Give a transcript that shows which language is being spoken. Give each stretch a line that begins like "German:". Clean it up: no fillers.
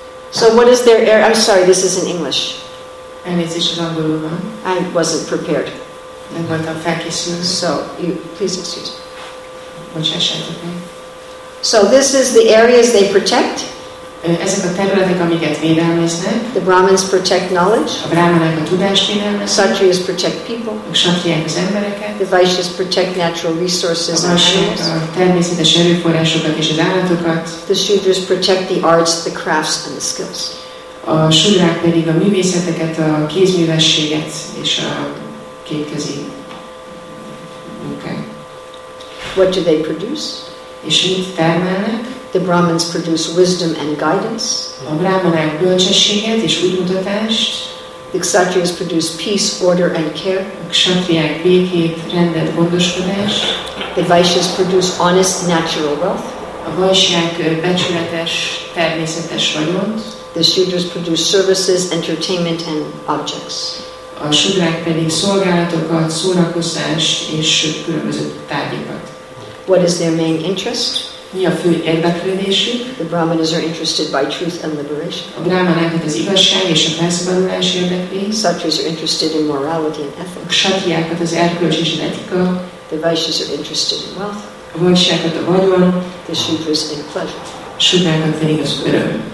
English: So what is their area? I'm sorry, this is in English. And is this in Angolul? I wasn't prepared.
Hungarian: Nem voltam felkészülve.
English: So, you, please excuse
Hungarian: me. Bocsássátok meg.
English: So this is the areas they protect.
Hungarian: Ezek a területek, amiket védelmeznek.
English: The Brahmins protect knowledge.
Hungarian: A brahmanák a tudást védelmeznek.
English: Satriyas protect people.
Hungarian: A satriyák az embereket.
English: The Vaishyas protect natural resources and animals.
Hungarian: A természetes erőforrásokat és az állatokat.
English: The Shudras protect the arts, the crafts and the skills.
Hungarian: A Shudrák pedig a művészeteket, a kézművességet és a kétkezi munkát.
English: What do they produce?
Hungarian: És mit termelnek?
English: The Brahmins produce wisdom and guidance.
Hungarian: A brahmanák bölcsességet és útmutatást.
English: The Kshatriyas produce peace, order and care.
Hungarian: A kshatriyák békét, rendet, gondoskodást.
English: The Vaishyas produce honest natural wealth.
Hungarian: A vaishyák becsületes, természetes vagyont.
English: The Shudras produce services, entertainment and objects.
Hungarian: a sudrák pedig szolgálatokat, szórakozást és különböző tárgyakat.
English: What is their main interest?
Hungarian: Mi a fő érdeklődésük?
English: The Brahmanas are interested by truth and liberation.
Hungarian: A brahmanákat az igazság és a felszabadulás érdekli.
English: Satyas are interested in morality and ethics.
Hungarian: A kshatriákat az erkölcs és az etika.
English: The vaishyas are interested in wealth.
Hungarian: A vaishyákat a vagyon.
English: The shudras in pleasure.
Hungarian: A shudrákat pedig az öröm.